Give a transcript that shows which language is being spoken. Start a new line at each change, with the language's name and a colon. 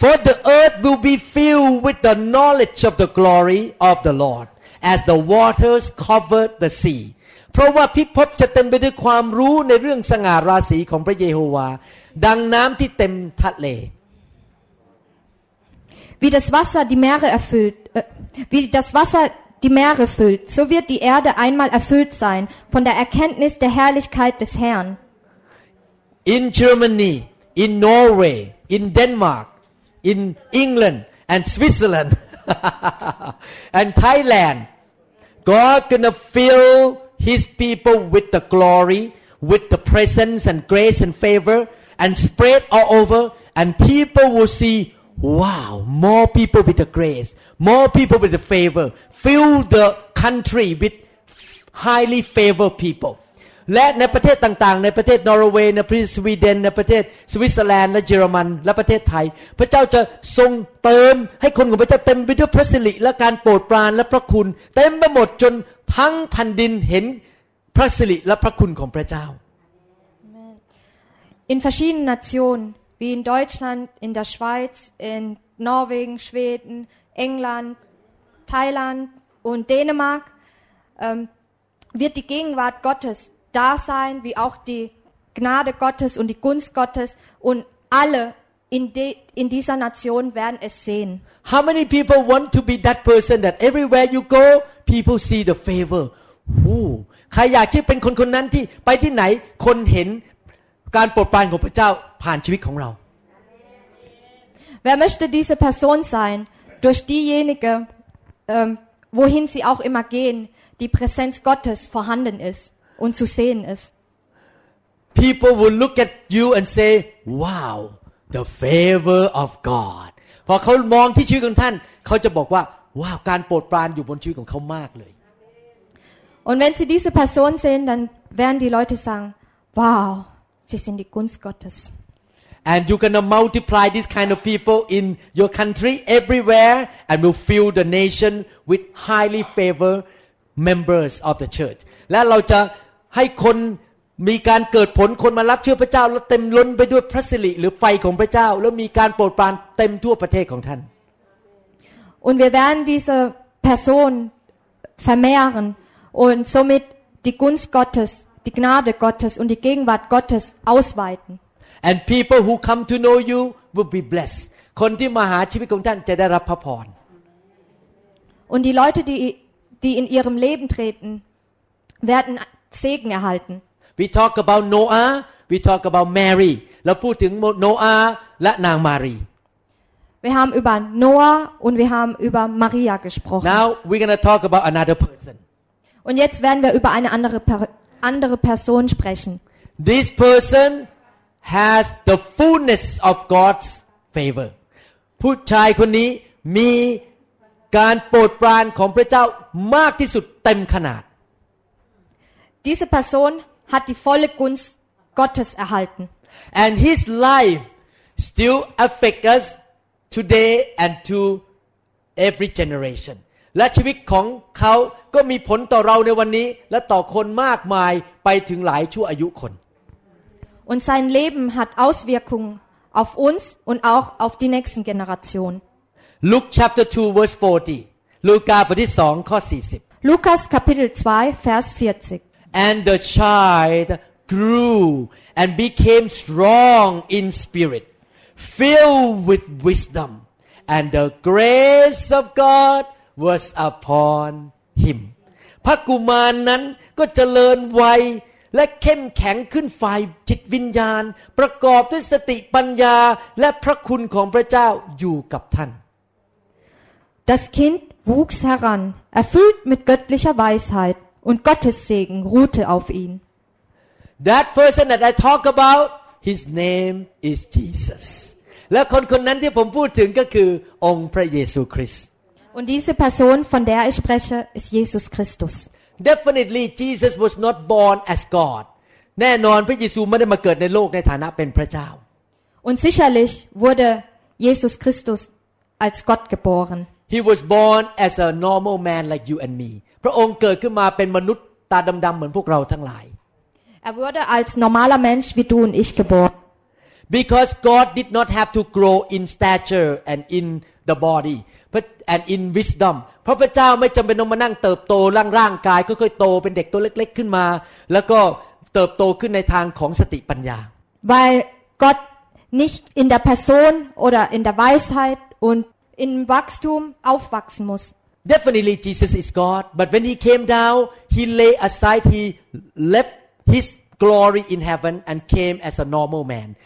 English: For the earth will be filled with the knowledge of the glory of the Lord, as the waters cover the sea.
Thai: เพราะว่าพิภพจะเต็มไปด้วยความรู้ในเรื่องสง่าราศีของพระเยโฮวาห์ดังน้ำที่เต็มทะเล
German: wie das Wasser die Meere erfüllt, wie das Wasser die Meere füllt, so wird die Erde einmal erfüllt sein von der Erkenntnis der Herrlichkeit des Herrn.
English: In Germany, in Norway, in Denmark, in England and Switzerland and Thailand, God gonna fill His people with the glory, with the presence and grace and favor, and spread all over, and people will see, wow, more people with the grace, more people with the favor, fill the country with highly favored people.
Thai: และในประเทศต่างๆในประเทศนอร์เวย์ในประเทศสวีเดนในประเทศสวิตเซอร์แลนด์และเยอรมันและประเทศไทยพระเจ้าจะทรงเติมให้คนของพระเจ้าเต็มไปด้วยพระสิริและการโปรดปรานและพระคุณเต็มไปหมดจนทั้งแผ่นดินเห็นพระสิริและพระคุณของพระเจ้า
German: In verschiedenen Nationen wie in Deutschland, in der Schweiz, in Norwegen, Schweden, England, Thailand und Dänemark wird die Gegenwart Gottes da sein, wie auch die Gnade Gottes und die Gunst Gottes und alle in dieser Nation werden es sehen.
English: How many people want to be that person that everywhere you go, people see the favor? Ooh.
Thai: ใครอยากที่เป็นคนคนนั้นที่ไปที่ไหนคนเห็นการโปรดปรานของพระเจ้าผ่านชีวิตของเรา
German: Wer möchte diese Person sein, durch diejenige, wohin sie auch immer gehen, die Präsenz Gottes vorhanden ist und zu sehen ist?
English: People will look at you and say, "Wow, the favor of God."
Thai: พอเขามองที่ชีวิตของท่านเขาจะบอกว่าว้าวการโปรดปรานอยู่บนชีวิตของเขามากเลย
German: Und wenn sie diese Person sehen, dann werden die Leute sagen, "Wow,Sie sind die Gunst Gottes.
English: And you're gonna multiply this kind of people in your country everywhere, and will fill the nation with highly favored members of the church.
Thai: และเราจะให้คนมีการเกิดผลคนมารับเชื่อพระเจ้าและเต็มล้นไปด้วยพระสิริหรือไฟของพระเจ้าแล้วมีการโปรดปรานเต็มทั่วประเทศของท่าน
German: Und wir werden diese Person vermehren und somit die Gunst Gottes. Die Gnade Gottes und die Gegenwart Gottes ausweiten.
English: And people who come to know you will be blessed.
Thai: คนที่มาหาชีวิตของท่านจะได้รับพระพร
German: Und die Leute, die in ihrem Leben treten, werden Segen erhalten.
English: We talk about Noah, we talk about Mary.
Thai: เราพูดถึง Noah และนาง Marie.
German: Wir haben über Noah und wir haben über Maria gesprochen.
English: Now we're going to talk about another person.
German: Und jetzt werden wir über eine andere andere Person sprechen.
English: This person has the fullness of God's favor.
Thai: ผู้ชายคนนี้มีการโปรดปรานของพระเจ้ามากที่สุดเต็มขนาด
German: Diese Person hat die volle Gunst Gottes erhalten.
English: And his life still affects us today and to every generation.
Thai: และชีวิตของเขาก็มีผลต่อเราในวันนี้และต่อคนมากมายไปถึงหลายชั่วอายุคน
German: Und sein Leben hat Auswirkungen auf uns und auch auf die nächsten Generation.
English: Luke chapter 2 verse 40.
Thai: Lukas บทที่2ข้อ40.
German: Lukas Kapitel 2 Vers 40.
English: And the child grew and became strong in spirit, filled with wisdom, and the grace of GodWas upon him.
Thai: พระกุมารนั้นก็เจริญวัยและเข้มแข็งขึ้นฝ่ายจิตวิญญาณประกอบด้วยสติปัญญาและพระคุณของพระเจ้าอยู่กับท่าน
German: Das Kind wuchs heran, erfüllt mit göttlicher Weisheit und Gottes Segen ruhte auf ihn.
English: That person that I talk about, his name is Jesus.
Thai: และคนคนนั้นที่ผมพูดถึงก็คือองค์พระเยซูคริสต์
German: Und diese Person, von der ich spreche, ist Jesus Christus.
English: Definitely, Jesus was not born as God.
Thai: แน่นอนพระเยซูไม่ได้มาเกิดในโลกในฐานะเป็นพระเจ้า
German: Und sicherlich wurde Jesus Christus als Gott geboren.
English: He was born as a normal man like you and me.
Thai: พระองค์เกิดขึ้นมาเป็นมนุษย์ตาดำๆเหมือนพวกเราทั้งหลาย
German: Er wurde als normaler Mensch wie du und ich geboren.
English: Because God did not have to grow in stature and in the body. And in wisdom,
Thai: พระเจ้าไม่จำเป็นต้องมานั่งเติบโตร่างกายค่อยๆโตเป็นเด็กตัวเล็กๆขึ้นมาแล้วก็เติบโตขึ้นในทางของสติปัญญา
German: Weil Gott nicht in der Person oder in der Weisheit und in Wachstum aufwachsen muss.
English: Definitely Jesus is God, but when he came down, he lay aside, he left his glory in heaven and came as a normal man.